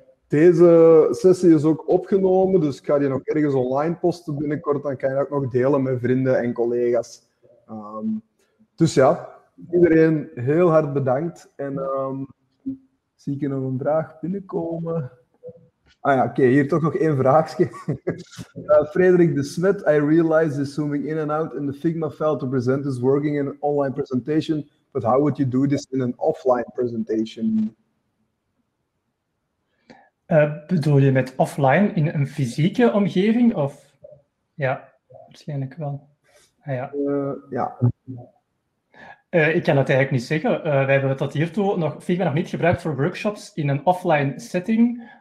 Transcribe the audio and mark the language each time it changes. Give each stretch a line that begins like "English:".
Dutch: Deze sessie is ook opgenomen, dus ik ga die nog ergens online posten binnenkort. Dan kan je ook nog delen met vrienden en collega's. Dus ja, iedereen heel hard bedankt. En zie ik hier nog een vraag binnenkomen. Ah ja, oké, hier toch nog één vraagje.
English: Frederik de Smet, I realize this zooming in and out in the Figma file to present is working in an online presentation, but how would you do this in an offline presentation?
Dutch: Bedoel je met offline in een fysieke omgeving? Of ja, waarschijnlijk wel. Ah, ja. Ik kan dat eigenlijk niet zeggen. Wij hebben tot hiertoe nog Figma nog niet gebruikt voor workshops in een offline setting.